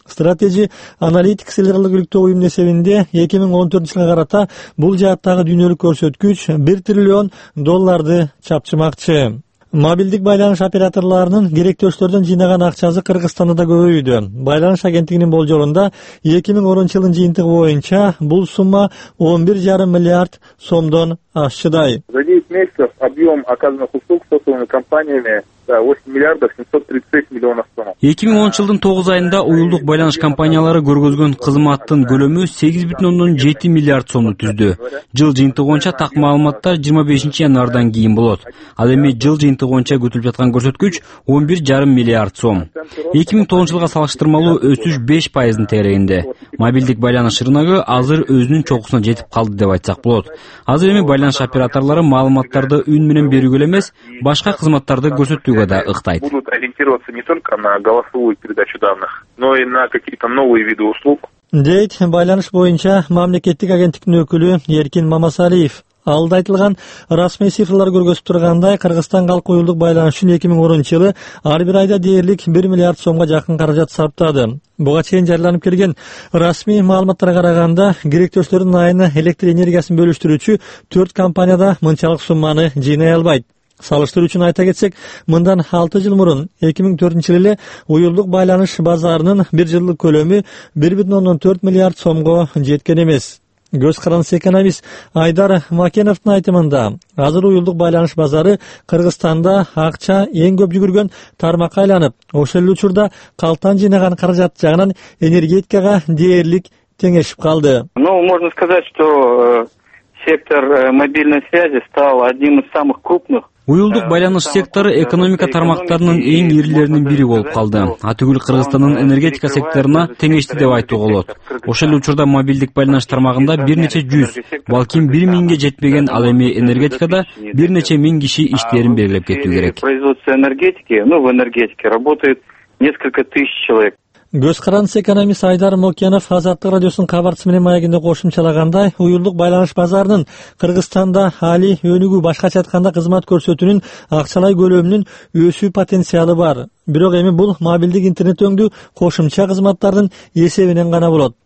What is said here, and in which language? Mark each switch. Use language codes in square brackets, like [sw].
[ky] Стратеги Analytics ылык иликтөө уюмунун эсебинде 2014 жылга карата бул жааттагы дүйнөлүк көрсөткүч 1 триллион долларды чапчымакчы. Мобилдик байланыш операторлорунун керектөөчүлөрдөн жыйнаган акчасы Кыргызстанда да көбөйүүдө. Байланыш агенттигинин болжолунда 2010 жылдын жыйынтыгы боюнча бул сумма 11,5 миллиард сомдон ашчыдай. [ru] За 9 месяцев объем оказанных услуг сотовыми компаниями 8 миллиардов 736 миллионов сом. [ky] 2010 жылдын 9 айында уюлдук байланыш компаниялары көргөзгөн кызматтын көлөмү 8,7 миллиард сомду түздү. Жыл жыйынтыгы боюнча так маалыматтар 25 январдан кийин болот. Ал эми жыл жыйынтыгы боюнча күтүлүп жаткан көрсөткүч 11,5 миллиард сом. 2010 жылга салыштырмалуу өсүш 5% тегерегинде. Мобилдик байланыш рыногу азыр өзүнүн чокусуна жетип калды деп айтсак болот. Азыр эми байланыш операторлору маалыматтарды үн менен берүүгө эле эмес, башка кызматтарды көрсөтүп [ru] будут ориентироваться не только на голосовую передачу данных, но и на какие-то новые виды услуг. [ky] Дейт байланыш боюнча мамлекеттик агенттиктин өкүлү Эркин Мамасалиев. Алда айтылган расмий цифрлар көрсөтүп тургандай, Кыргызстан калкы уюлдук байланыш үчүн 2010 жылы ар бир айда дээрлик 1 миллиард сомго жакын каражат сарптады. Буга чейин жарыяланып келген расмий маалыматтарга караганда, керектөөчүлөрдүн айына электр энергиясын бөлүштүрүүчү 4 компанияда мынчалык сумманы жыйнай албайт. Салыштыруу үчүн айта кетсек, мындан 6 жыл мурун 2004 жылы эле уюлдук байланыш базарынын бир жылдык көлөмү 1,14 миллиард сомго жеткен эмес. Көз карандысы экономист Айдар Макеновдун айтымында, азыр уюлдук байланыш базары Кыргызстанда акча эң көп жүгүргөн тармакка айланып, ошол эле учурда калктан жыйнаган каражат жагынан энергетикага дээрлик теңешип калды. [ru] Ну, можно сказать, что сектор мобильной связи стал одним из самых крупных. [ky] Уюлдук байланыш сектору экономика тармактарынын эң ирилеринин бири болуп калды. Атүгүл Кыргызстандын энергетика секторуна теңешти деп айтууга болот. Ошол эле учурда мобилдик байланыш тармагында бир нече жүз, балким 1000 жетпеген, ал эми энергетикада бир нече миң киши иштерин белгилеп кетүү керек. [ru] Производство энергетики, в энергетике работает несколько тысяч человек. [ky] Көз карандысы экономист Айдар Мокенов Азаттык радиосунун кабарчысы менен маегинде кошумчалагандай, уюлдук байланыш базарынын Кыргызстанда хали өнүгү, башкача айтканда кызмат көрсөтүүнүн акчалай көлөмүнүн өсүү потенциалы бар. Бирок эми бул мобилдик интернет өңдүү кошумча кызматтардын эсебинен гана болот.